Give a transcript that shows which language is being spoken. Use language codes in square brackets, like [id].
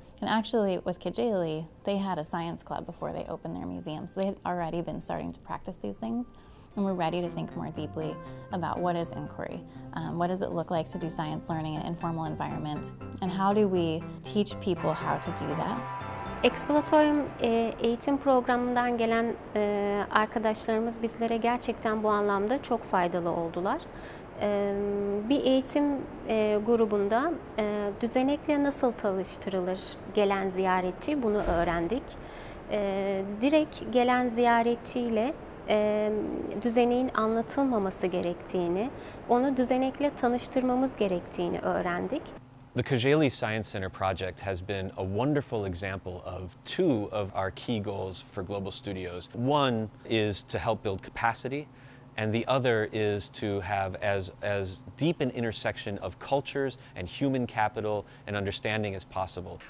[en] And actually, with Kocaeli, they had a science club before they opened their museum, so they had already been starting to practice these things. And we're ready to think more deeply about what is inquiry, what does it look like to do science learning in an informal environment, and how do we teach people how to do that. [tr] Exploratorium eğitim programından gelen arkadaşlarımız bizlere gerçekten bu anlamda çok faydalı oldular. Bir eğitim grubunda düzenekle nasıl tanıştırılır gelen ziyaretçi, bunu öğrendik. Direkt gelen ziyaretçiyle düzeneğin anlatılmaması gerektiğini, onu düzenekle tanıştırmamız gerektiğini öğrendik. [en] The Kocaeli Science Center project has been a wonderful example of two of our key goals for Global Studios. One is to help build capacity, and the other is to have as deep an intersection of cultures and human capital and understanding as possible.